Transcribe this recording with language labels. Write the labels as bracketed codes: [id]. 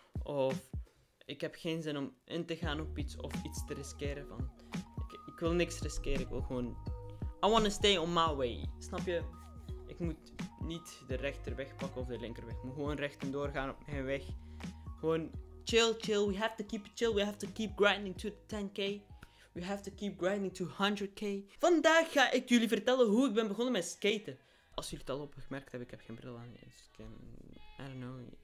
[nl] Of ik heb geen zin om in te gaan op iets of iets te riskeren. Van, ik wil niks riskeren, ik wil gewoon... [en] I wanna stay on my way, [nl] snap je? Ik moet niet de rechterweg pakken of de linkerweg. Ik moet gewoon rechtendoor gaan op mijn weg. Gewoon... [en] Chill, we have to keep it chill. We have to keep grinding to 10k. We have to keep grinding to 100k. [nl] Vandaag ga ik jullie vertellen hoe ik ben begonnen met skaten. Als jullie het al opgemerkt hebben, ik heb geen bril aan. Dus ik kan... [en] I don't know.